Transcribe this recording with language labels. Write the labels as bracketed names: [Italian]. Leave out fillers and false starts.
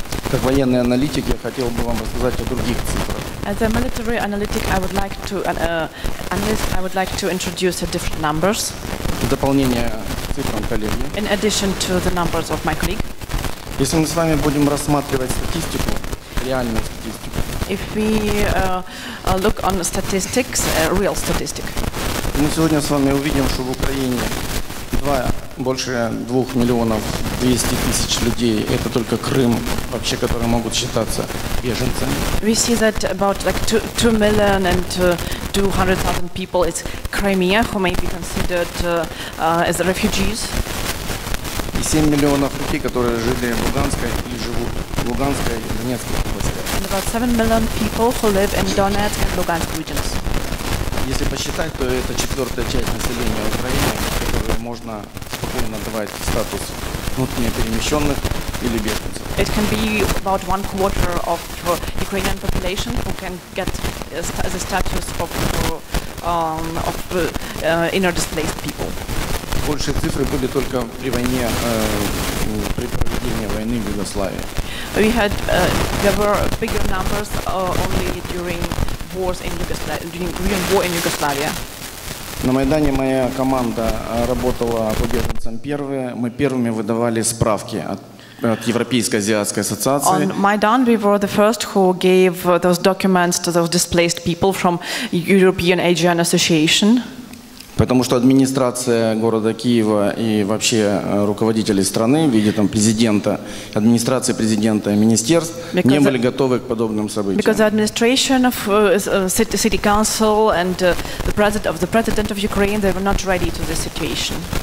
[Russian] Как военный аналитик, я хотел бы вам рассказать о других цифрах. [English] As a military analytic, I would like to I would like to introduce different numbers. [Russian] Дополнение цифрам коллеги. [English] In addition to the numbers of my colleague. [Russian] Если мы с вами будем рассматривать статистику, реальную статистику. [English] If we look on statistics, real statistic. [Russian] Мы сегодня с вами увидим, что в Украине больше 2,2 миллиона людей, это только Крым, вообще, которые могут считаться беженцами. [English] We see that about like 2 million and 200,000 people is Crimea, who may be considered as refugees. [Russian] И 7 миллионов людей, которые жили в Луганской и живут в Луганской и Донецкой областях. [English] And about 7 million people who live in Donetsk and Lugansk regions. [Russian] Если посчитать, то это четвертая часть населения Украины, которую можно спокойно давать статус внутренне перемещенных или беженцев. [English] It can be about one quarter of Ukrainian population who can get the status of inner displaced people. [Russian] Большие цифры были только при войне, при проведении войны в Югославии. [English] We had there were bigger numbers only during wars in Yugoslavia. [Russian] На Майдане моя команда работала по беженцам первые. Мы первыми выдавали справки от Европейской Азиатской Ассоциации. [English] On Maidan we were the first who gave those documents to those displaced people from European Asian Association. [Russian] Потому что администрация города Киева и вообще руководители страны в виде там президента, администрации президента и министерств [English] because [Russian] не были готовы к подобным событиям. [English] Because the administration of city council and the president of Ukraine, they were not ready to this situation.